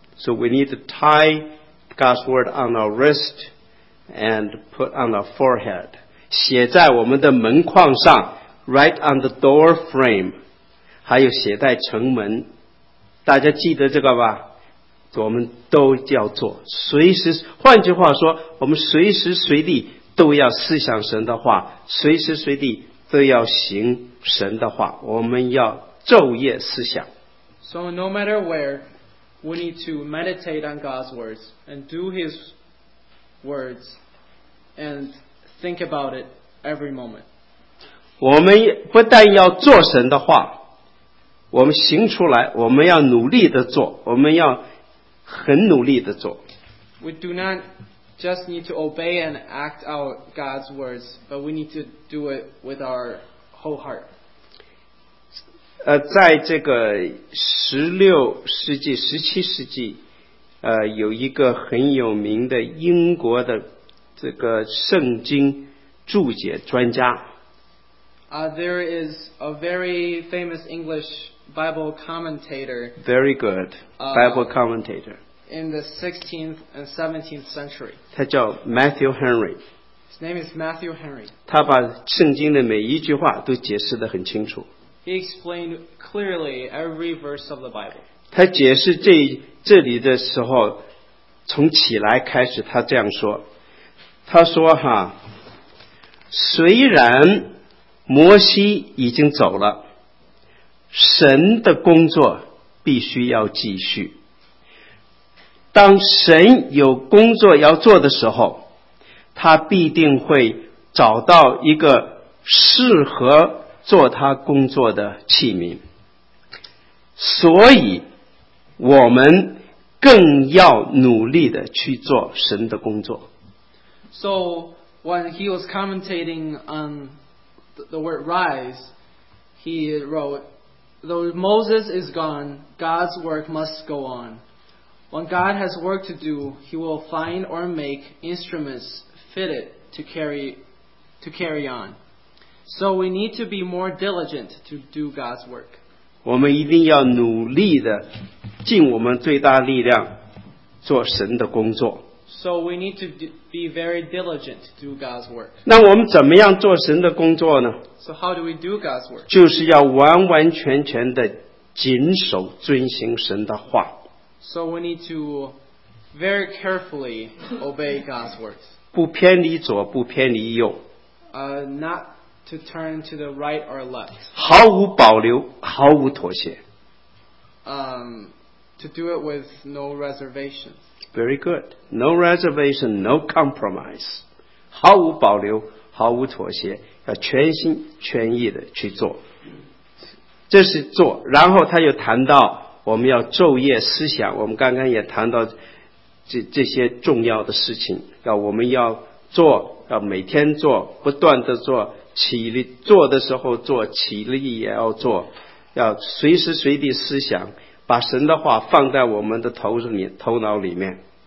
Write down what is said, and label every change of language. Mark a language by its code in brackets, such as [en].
[en] So we need to tie God's word on our wrist and put on our forehead [zh] 写在我们的门框上 [en] write on the door frame [zh] 还有携带城门大家记得这个吧我们都要做随时换句话说我们随时随地都要思想神的话随时随地都要行神的话我们要昼夜思想 [en] So no matter where we need to meditate on God's words and do his words and think about it every moment [zh] 我们不但要做神的话我们行出来我们要努力的做我们要很努力的做 [en] We do not just need to obey and act out God's words but we need to do it with our whole heart [zh] 在这个16世纪17世纪有一个很有名的英国的这个圣经注解专家 [en] There is a very famous English Bible commentator. Very good. Bible commentator. In the 16th and 17th century. [zh] 他叫 Matthew Henry. [en] His name is Matthew Henry. [zh] 他把圣经的每一句话都解释得很清楚。 [en] He explained clearly every verse of the Bible. [zh] 他解释这里的时候从起来开始他这样说。他说哈虽然摩西已经走了神的工作必须要继续。当神有工作要做的时候，他必定会找到一个适合做他工作的器皿。所以我们更要努力的去做神的工作。 [en] So when he was commentating on the word rise, he wrote, though Moses is gone, God's work must go on. When God has work to do, he will find or make instruments fitted to carry on. So we need to be more diligent to do God's work. [zh] 我们一定要努力的尽我们最大力量做神的工作。 [en] So we need to be very diligent to do God's work. [zh] 那我们怎么样做神的工作呢？ [en] So how do we do God's work? [zh] 就是要完完全全的谨守遵行神的话。 [en] So we need to very carefully obey God's words. [zh] 不偏离左，不偏离右。 [en] Not to turn to the right or left. [zh] 毫无保留，毫无妥协。 [en] To do it with no reservations. Very good. No reservation, no compromise. [zh] 毫无保留，毫无妥协，要全心全意的去做。这是做。然后他又谈到我们要昼夜思想，我们刚刚也谈到 这些重要的事情，要我们要做，要每天做，不断的做，起立做的时候做，起立也要做，要随时随地思想，把神的话放在我们的头脑里面。